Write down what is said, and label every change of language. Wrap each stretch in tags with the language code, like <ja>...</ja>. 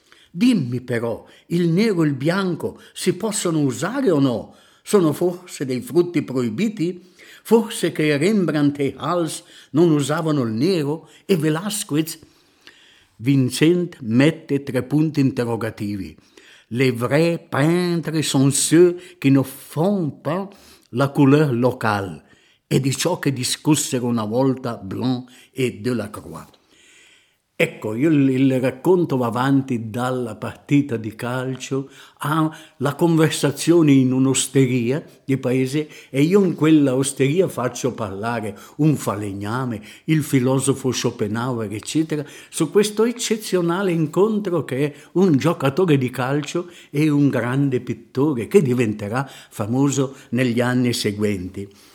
<it>Dimmi però, il nero e il bianco si possono usare o no? Sono forse dei frutti proibiti? Forse che Rembrandt e Hals non usavano il nero e Velasquez? Vincent mette tre punti interrogativi.</it> <fr>Les vrais peintres sont ceux qui ne font pas la couleur locale.</fr> <it>E di ciò che discussero una volta Blanc e Delacroix. Ecco, il racconto va avanti dalla partita di calcio alla conversazione in un'osteria di paese e io in quella osteria faccio parlare un falegname, il filosofo Schopenhauer, eccetera, su questo eccezionale incontro che è un giocatore di calcio e un grande pittore che diventerà famoso negli anni seguenti.</it>